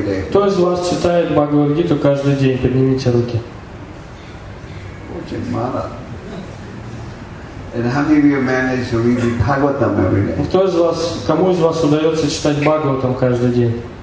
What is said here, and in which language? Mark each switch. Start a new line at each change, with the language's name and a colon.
Russian: Кто из вас читает Бхагавад-гиту каждый день? Поднимите руки. Очень мало.
English: And how many of you manage to read Bhagavatam every day?
Russian: Кто из вас, кому из вас удается читать Бхагаватам каждый день?